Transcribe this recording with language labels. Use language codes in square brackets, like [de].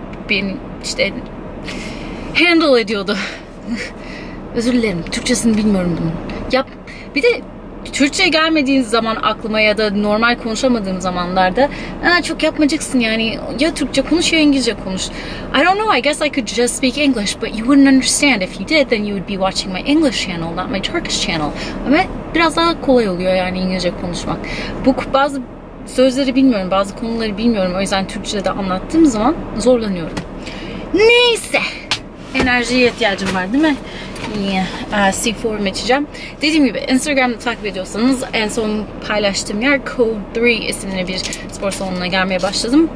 [tr] Beni işte handle ediyordu. Özür dilerim. Türkçesini bilmiyorum bunun. Ya bir de Türkçe gelmediğin zaman aklıma ya da normal konuşamadığım zamanlarda çok yapmayacaksın yani. Ya Türkçe konuş ya İngilizce konuş. [en] I don't know. I guess I could just speak English but you wouldn't understand. If you did then you would be watching my English channel not my Turkish channel. [tr] Ama biraz daha kolay oluyor yani İngilizce konuşmak. Bu bazı sözleri bilmiyorum. Bazı konuları bilmiyorum. O yüzden Türkçe'de anlattığım zaman zorlanıyorum. Neyse. Enerjiye ihtiyacım var değil mi? C4'u açacağım. Dediğim gibi Instagram'da takip ediyorsanız en son paylaştığım yer Code 3 isimli bir spor salonuna gelmeye başladım.